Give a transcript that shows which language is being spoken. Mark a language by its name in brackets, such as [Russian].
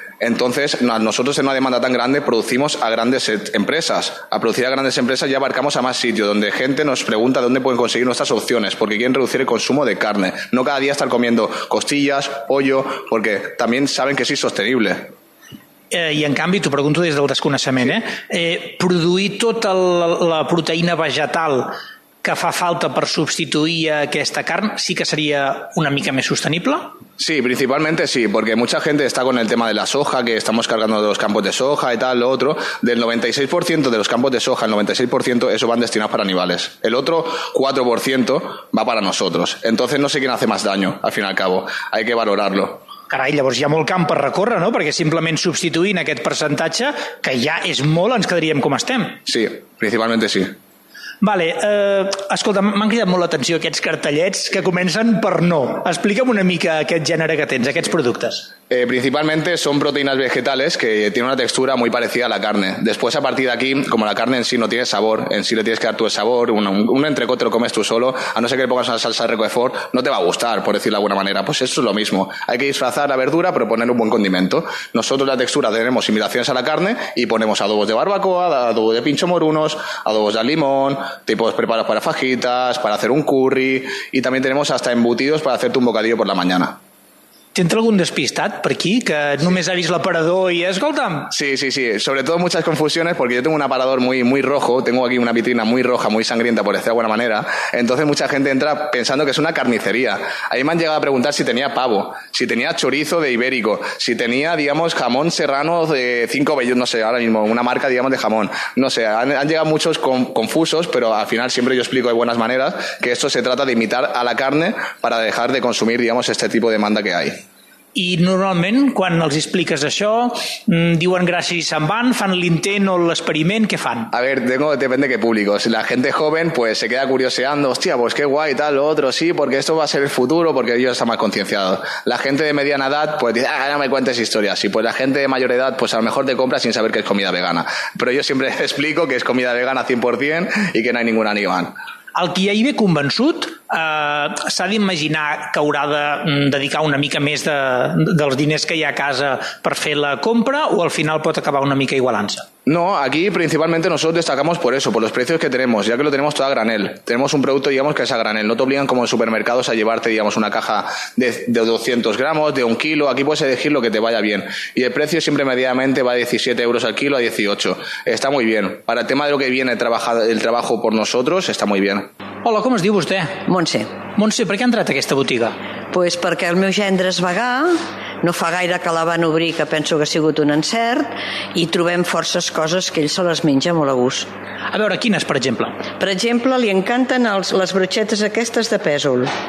[Spanish] Entonces, nosotros en una demanda tan grande producimos a grandes empresas. A producir a grandes empresas ya abarcamos a más sitios, donde gente nos pregunta dónde pueden conseguir nuestras opciones, porque quieren reducir el consumo de carne. No cada día estar comiendo costillas, pollo, porque también saben que es insostenible. [Catalan] I en canvi, t'ho pregunto des del desconeixement, produir tota la proteïna vegetal que fa falta per substituir aquesta carn sí que seria una mica més sostenible? [Spanish] Sí, principalmente sí, porque mucha gente está con el tema de la soja, que estamos cargando de los campos de soja y tal, lo otro. Del 96% de los campos de soja, el 96%, eso van destinados para animales. El otro 4% va para nosotros. Entonces no sé quién hace más daño, al fin y al cabo. Hay que valorarlo. [Catalan] Carai, llavors hi ha molt camp per recórrer, no? Perquè simplement substituint aquest percentatge, que ja és molt, ens quedaríem com estem. [Spanish] Sí, principalmente sí. [Catalan] Vale, escolta, m'han cridat molt l'atenció aquests cartellets que comencen per no. Explica'm una mica aquest gènere que tens, aquests productes. [Spanish] Principalmente son proteínas vegetales que tienen una textura muy parecida a la carne. Después, a partir de aquí, como la carne en sí no tiene sabor, en sí le tienes que dar tu sabor, un entrecot te lo comes tú solo, a no ser que le pongas una salsa de Roquefort, no te va a gustar, por decirlo de alguna manera. Pues eso es lo mismo. Hay que disfrazar la verdura, pero poner un buen condimento. Nosotros la textura tenemos imitaciones a la carne y ponemos adobos de barbacoa, adobos de pincho morunos, adobos de limón, tipos preparados para fajitas, para hacer un curry y también tenemos hasta embutidos para hacerte un bocadillo por la mañana. ¿Tienes algún despistat por aquí? Que sí. [Catalan] Només ha vist l'aparador i escolta'm. Sí, sí, sí. [Spanish] Sobre todo muchas confusiones porque yo tengo un aparador muy, muy rojo. Tengo aquí una vitrina muy roja, muy sangrienta, por decir de alguna manera. Entonces mucha gente entra pensando que es una carnicería. Ahí me han llegado a preguntar si tenía pavo, si tenía chorizo de ibérico, si tenía, digamos, jamón serrano de cinco bellos, no sé, ahora mismo, una marca, digamos, de jamón. No sé, han llegado muchos confusos, pero al final siempre yo explico de buenas maneras que esto se trata de imitar a la carne para dejar de consumir, digamos, este tipo de manda que hay. [Catalan] I normalment, quan els expliques això, diuen gràcies i se'n van, fan l'intent o l'experiment, què fan? [Spanish] A ver, depèn de qué público. Si la gente joven pues se queda curioseando, hostia, pues qué guay, tal, lo otro, sí, porque esto va a ser el futuro, porque ellos están más concienciados. La gente de mediana edad pues dice, ah, no me cuentes historias. Y pues la gente de mayor edad pues a lo mejor te compra sin saber que es comida vegana. Pero yo siempre explico que es comida vegana 100% y que no hay ningún animal. [Catalan] El qui ja hi ve convençut s'ha d'imaginar que haurà de dedicar una mica més dels diners que hi ha a casa per fer la compra o al final pot acabar una mica igualant-se? [Spanish] No, aquí principalmente nosotros destacamos por eso, por los precios que tenemos, ya que lo tenemos todo a granel. Tenemos un producto, digamos, que es a granel. No te obligan como en supermercados a llevarte, digamos, una caja de 200 gramos, de un kilo. Aquí puedes elegir lo que te vaya bien. Y el precio siempre medianamente va a 17 euros al kilo, a 18. Está muy bien. Para el tema de lo que viene el trabajo por nosotros, está muy bien. [Catalan] Hola, ¿cómo es diu vostè? Montse. Montse, ¿per què ha entrat a aquesta botiga? Pues perquè el meu gendre es vegà. No fa gaire que la van obrir, que penso que ha sigut un encert, i trobem forces coses que ell se les menja molt a gust. A veure, quines, per exemple? Per exemple, li encanten les bruixetes aquestes de pèsol.